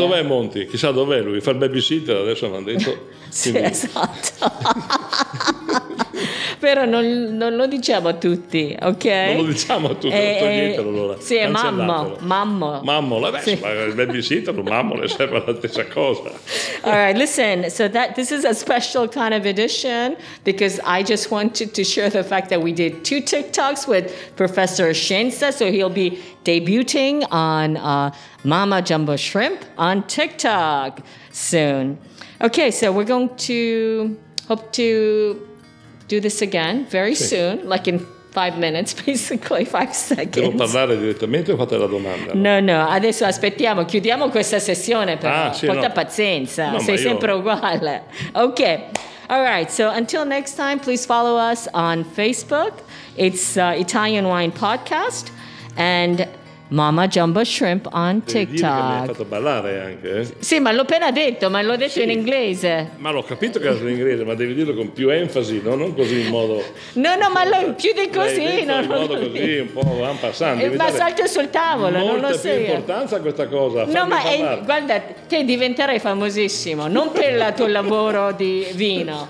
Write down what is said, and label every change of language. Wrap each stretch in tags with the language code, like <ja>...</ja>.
<it>Dov'è Monti? Chissà dov'è lui. Fa il babysitter, adesso mi hanno detto. Sì, esatto. Però non lo diciamo a tutti, ok? Non lo diciamo a tutti, allora. Sì, è mammo. Mammo, adesso, sì. Ma il babysitter, mammo, le serve la stessa cosa.</it> <en>All right, listen, so this is a special kind of edition because I just wanted to share the fact that we did 2 TikToks with Professor Shensa, so he'll be debuting on Mama Jumbo Shrimp on TikTok soon. Okay, so we're going to hope to... do this again very sì. soon, like in 5 minutes, basically 5 seconds.</en> <it>Devo parlare direttamente o fate la domanda? No, adesso aspettiamo, chiudiamo questa sessione però, pazienza, no, sei sempre uguale.</it> <en>Okay, all right, so until next time, please follow us on Facebook. It's Italian Wine Podcast and Mama Jumbo Shrimp on TikTok.</en> <it>Mi hai fatto ballare anche, Sì, ma l'ho appena detto, ma l'ho detto in inglese. Ma l'ho capito che era in inglese, ma devi dirlo con più enfasi, no? Non così in modo... No, ma più di così. No, in modo così, un po' en passant. Ma salto sul tavolo, non lo so. Molta più importanza questa cosa. No, ma guarda, te diventerai famosissimo, non per il tuo lavoro di vino.</it>